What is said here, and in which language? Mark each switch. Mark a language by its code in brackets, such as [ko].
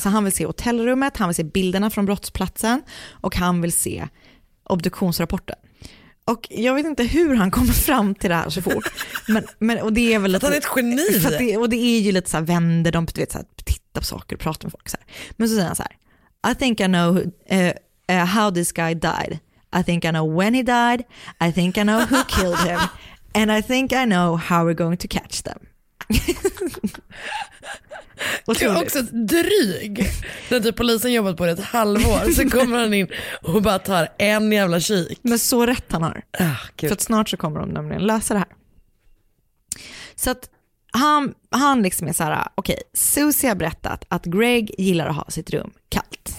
[sv] Så han vill se hotellrummet, han vill se bilderna från brottsplatsen och han vill se obduktionsrapporten. Och jag vet inte hur han kommer fram till det här så fort. Men och det är väl att han är ett geni. Och det är ju lite så här, vänder de, du vet, så här, titta på saker och prata med folk så här. Men så säger han så här: [en] I think I know how this guy died. I think I know when he died. I think I know who killed him. And I think I know how we're going to catch them. [sv] Du är också dryg. När typ polisen jobbat på det ett halvår så kommer han in och bara tar en jävla kik. Men så rätt han har. Ah, för att snart så kommer de nämligen lösa det här. Så att han liksom är så här: okej, Susie har berättat att Greg gillar att ha sitt rum kallt.